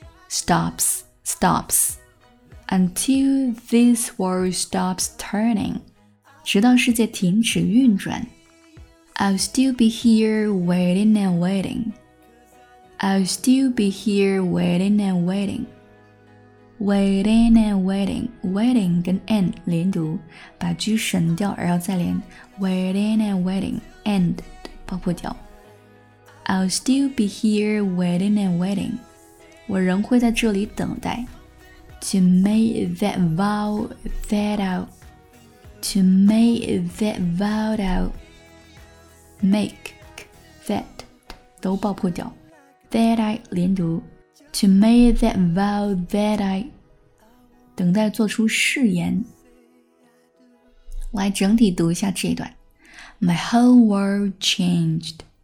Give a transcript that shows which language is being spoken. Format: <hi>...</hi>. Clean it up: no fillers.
<en>Stops Stops Until this world stops turning</en> <zh>直到世界停止运转</zh> <en>I'll still be here waiting and waiting. I'll still be here waiting and waiting. Waiting and waiting.</en> <zh>Waiting 跟 and 连读，把 G 省掉，然后再连。</zh> <en>Waiting and waiting. And 爆破掉。 I'll still be here waiting and waiting.</en> <zh>我仍会在这里等待。</zh> <en>To make that vow that out. To make that vow out. Make that 都爆破掉 That I 连读 To make that vow that I</en> <zh>等待做出誓言来整体读一下这一段</zh> <en>My whole world changed</en>